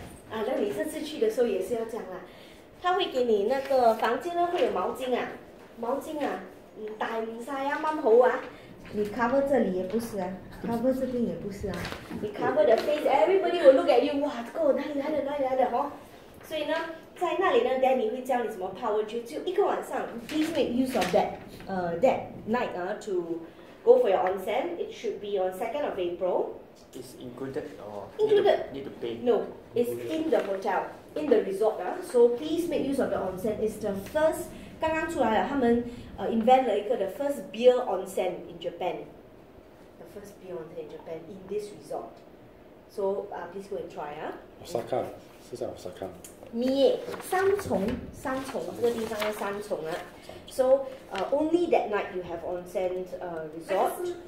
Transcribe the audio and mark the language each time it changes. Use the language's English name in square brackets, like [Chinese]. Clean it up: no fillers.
[Chinese] 啊，那你这次去的时候也是要这样啦。他会给你那个房间呢，会有毛巾啊，你大唔晒啊，蛮好啊。你 cover 这里也不是啊 ，cover 这边也不是啊。 [English] 你 cover the face，everybody will look at you， [Chinese] 哇，这个我哪里来的哈、哦？所以呢，在那里呢 ，Danny 会教你怎么泡温泉，就一个晚上。 [English] Please make use of that night to go for your onsen. It should be on 2nd of April. It's included or included? Need to pay? No, it's in the hotel. In the resort, so please make use of the onsen. It's the first, [Chinese] 刚刚出来了，他们 [English] invent [Chinese] 了一个 [English] the first beer onsen in Japan. The first beer onsen in Japan in this resort. So please go and try. [Chinese] Osaka, 是在 Osaka. 米耶，三重这个地方叫三重啊。 [English] So only that night you have onsen resort.